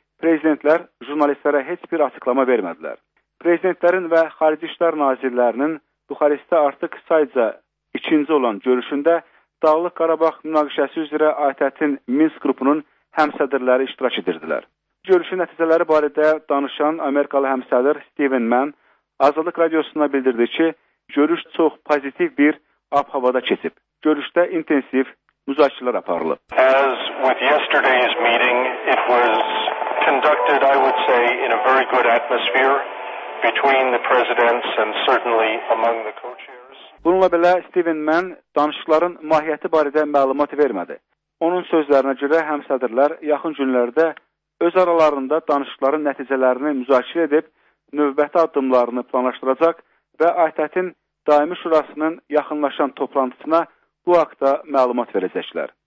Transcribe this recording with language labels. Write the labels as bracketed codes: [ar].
[az] Prezidentlər jurnalistlərə heç bir açıqlama vermədilər. Prezidentlərin və Xarici İşlər Nazirlərinin Buxarestdə artıq sayca ikinci olan görüşündə Dağlıq Qarabağ münaqişəsi üzrə ATƏT-in Minsk qrupunun həmsədrləri iştirak edirdilər. Görüşün nəticələri barədə danışan Amerikalı həmsədr Steven Mann Azadlıq Radiosuna bildirdi ki, görüş çox pozitiv bir ab havada keçib. Görüşdə intensiv müzakirələr aparılıb. [en] As with yesterday's meeting, it was conducted, I would say, in a very good atmosphere between the presidents and certainly among the co-chairs. [az] Bununla belə Steven Mann danışıqların mahiyyəti barədə məlumat vermədi. Onun sözlərinə görə həmsədrlər yaxın günlərdə öz aralarında danışıqların nəticələrini müzakirə edib, növbəti addımlarını planlaşdıracaq və ATƏT-in daimi şurasının yaxınlaşan toplantısına bu haqda məlumat verəcəklər.